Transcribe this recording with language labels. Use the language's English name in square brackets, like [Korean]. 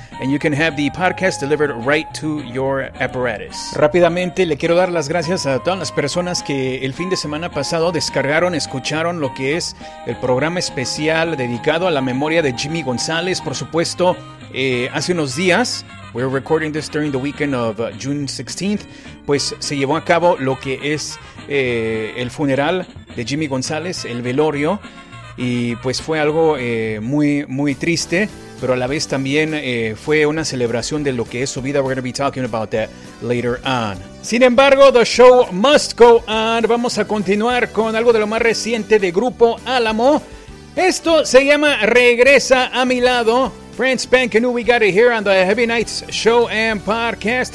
[English] And you can have the podcast delivered right to your apparatus. [Spanish] Rápidamente le quiero dar las gracias a todas las personas que el fin de semana pasado descargaron, escucharon lo que es el programa especial dedicado a la memoria de Jimmy González. Por supuesto, hace unos días, [English] we're recording this during the weekend of June 16th, [Spanish] pues se llevó a cabo lo que es el funeral de Jimmy González, el velorio. Y pues fue algo muy, muy triste, pero a la vez también fue una celebración de lo que es su vida. [English] We're going to be talking about that later on. [Spanish] Sin embargo, [English] the show must go on. [Spanish] Vamos a continuar con algo de lo más reciente de Grupo Álamo. Esto se llama Regresa a mi lado. [English] Friends, Spank and we got it here on the Heavy Nights Show and Podcast.